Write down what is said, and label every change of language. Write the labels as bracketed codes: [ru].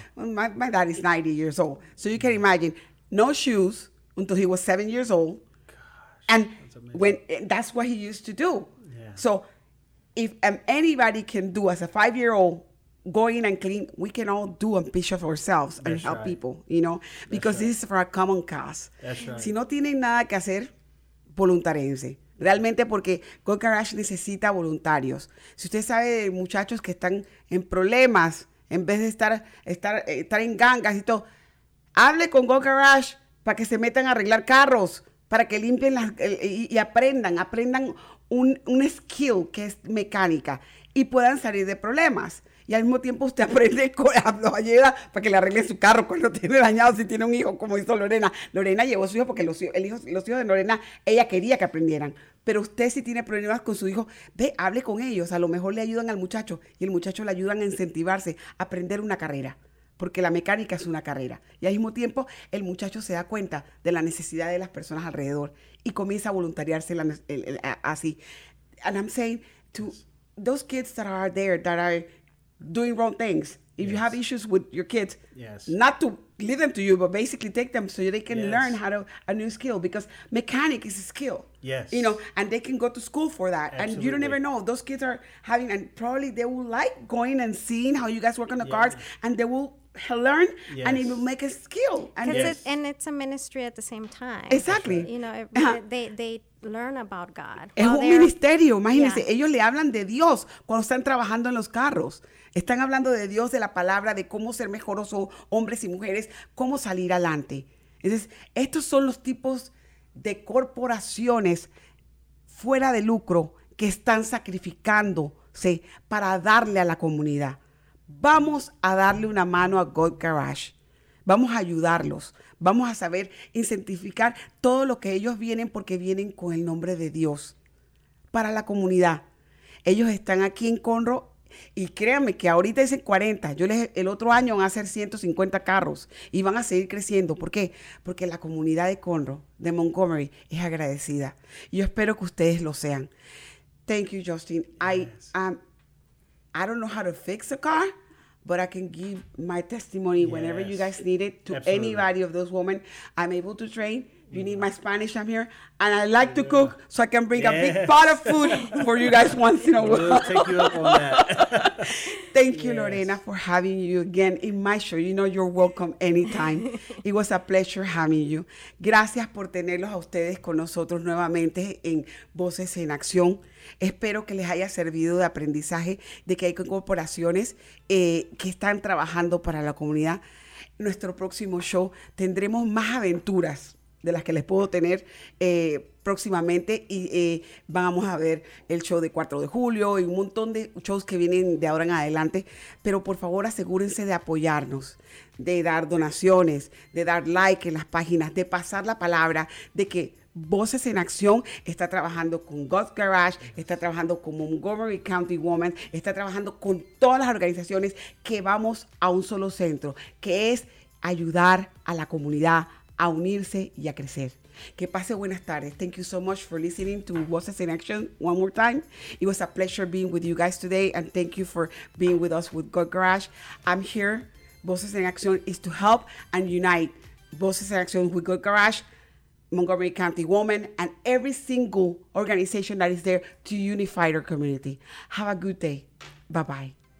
[en] My dad is 90 years old. So you can imagine, no shoes until he was 7 years old. Gosh, and that's what he used to do. So if anybody can do as a five-year-old going and clean, we can all do and push up ourselves and that's help right. people, you know, because that's this right. is for a common cause. That's right. [es] Si no tienen nada que hacer, voluntariense. Realmente porque Go Garage necesita voluntarios. Si usted sabe de muchachos que están en problemas, en vez de estar en gangas y todo, hable con Go Garage para que se metan a arreglar carros, para que limpien y aprendan un skill que es mecánica y puedan salir de problemas y al mismo tiempo usted aprende lo ayuda para que le arregle su carro cuando tiene dañado, si tiene un hijo, como hizo Lorena llevó a su hijo porque los hijos de Lorena, ella quería que aprendieran, pero usted si tiene problemas con su hijo, ve, hable con ellos, a lo mejor le ayudan al muchacho y el muchacho le ayudan a incentivarse a aprender una carrera, porque la mecánica es una carrera, y al mismo tiempo el muchacho se da cuenta de la necesidad de las personas alrededor y comienza a voluntariarse así. [en] And I'm saying to those kids that are there that are doing wrong things, if yes. you have issues with your kids, yes. not to leave them to you, but basically take them so they can yes. learn how to a new skill, because mechanic is a skill. Yes. You know, and they can go to school for that. Absolutely. And you don't even know. Those kids are having, and probably they will like going and seeing how you guys work on the yeah. cars, and they will learn, yes. and it will make a skill. And, yes. and it's a ministry at the same time. Exactly. You know, they learn about God. [es] Es un ministerio. Imagínense, yeah. ellos le hablan de Dios cuando están trabajando en los carros. Están hablando de Dios, de la palabra, de cómo ser mejores hombres y mujeres, cómo salir adelante. Entonces, estos son los tipos de corporaciones fuera de lucro que están sacrificándose para darle a la comunidad. Vamos a darle una mano a Go Garage. Vamos a ayudarlos. Vamos a saber incentivar todo lo que ellos vienen porque vienen con el nombre de Dios para la comunidad. Ellos están aquí en Conroe y créanme que ahorita dicen 40. El otro año van a hacer 150 carros y van a seguir creciendo. ¿Por qué? Porque la comunidad de Conroe, de Montgomery, es agradecida. Yo espero que ustedes lo sean. [en] Thank you, Justin. I don't know how to fix a car, but I can give my testimony yes. whenever you guys need it to Absolutely. Anybody of those women. I'm able to train. You need my Spanish. I'm here, and I like to cook, so I can bring a big pot of food for you guys once in a while. We'll take you up on that. Thank you, Lorena, for having you again in my show. You know you're welcome anytime. It was a pleasure having you. [es] Gracias por tenerlos a ustedes con nosotros nuevamente en Voces en Acción. Espero que les haya servido de aprendizaje de que hay corporaciones que están trabajando para la comunidad. Nuestro próximo show tendremos más aventuras de las que les puedo tener próximamente y vamos a ver el show de 4 de julio y un montón de shows que vienen de ahora en adelante, pero por favor asegúrense de apoyarnos, de dar donaciones, de dar like en las páginas, de pasar la palabra de que Voces en Acción está trabajando con God's Garage, está trabajando con Montgomery County Women, está trabajando con todas las organizaciones que vamos a un solo centro, que es ayudar a la comunidad a unirse y a crecer. Que pase buenas tardes. [en] Thank you so much for listening to Voices in Action one more time. It was a pleasure being with you guys today, and thank you for being with us with God Garage. I'm here. Voices in Action is to help and unite Voices in Action with God Garage, Montgomery County Women, and every single organization that is there to unify our community. Have a good day. Bye-bye.